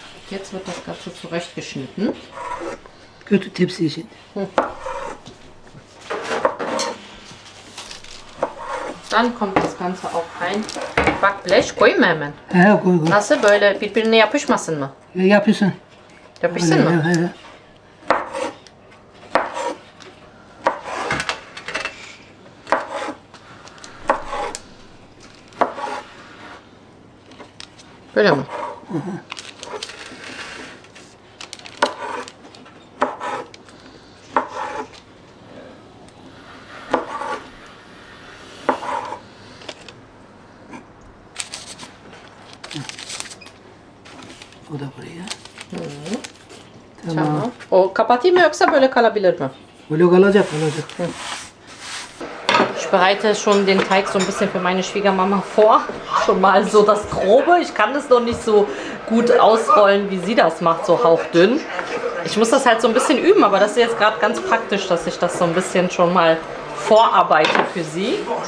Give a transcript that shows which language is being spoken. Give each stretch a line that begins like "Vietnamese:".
German: Jetzt wird das Ganze zurechtgeschnitten. Gute Tipps hier sind. Dann kommt das Ganze auch rein.
Turkish: Backblech, koy memen. Ha, koy koy. Nasıl böyle birbirine yapışmasın mı? Yapışsın. Yapışsın mı? Evet, evet. Böyle mi? O kapatayım mı yoksa böyle kalabilir mi? Böyle kalacak, kalacak.
German: Ich bereite schon den Teig so ein bisschen für meine Schwiegermama vor. Schon mal so das Grobe. Ich kann das noch nicht so gut ausrollen, wie sie das macht, so hauchdünn. Ich muss das halt so ein bisschen üben, aber das ist jetzt gerade ganz praktisch, dass ich das so ein bisschen schon mal vorarbeite für sie.